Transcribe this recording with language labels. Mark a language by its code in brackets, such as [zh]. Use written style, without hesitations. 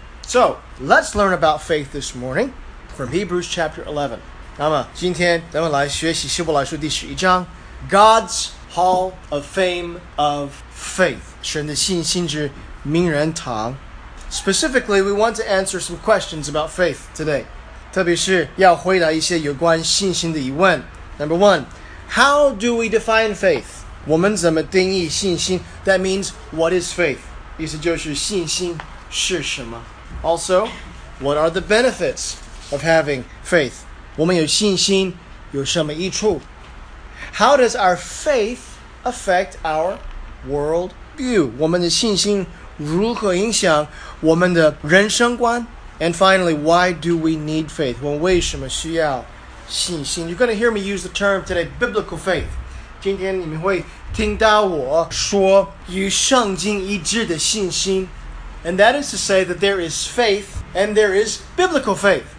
[en] So, let's learn about faith this morning from Hebrews chapter 11. [zh] 那么今天咱们来学习希伯来书第十一章 [en] God's Hall of Fame of Faith. [zh] 神的信心之名人堂。 [en] Specifically, we want to answer some questions about faith today. [zh] 特别是要回答一些有关信心的疑问。 [en] Number one,How do we define faith? [zh] 我们怎么定义信心? [en] That means, what is faith? [zh] 意思就是信心是什么? [en] Also, what are the benefits of having faith? [zh] 我们有信心有什么益处? [en] How does our faith affect our world view? [zh] 我们的信心如何影响我们的人生观? [en] And finally, why do we need faith? [zh] 我们为什么需要信心 [en] You're going to hear me use the term today, biblical faith. [zh] 今天你们会听到我说与圣经一致的信心 [en] And that is to say that there is faith and there is biblical faith.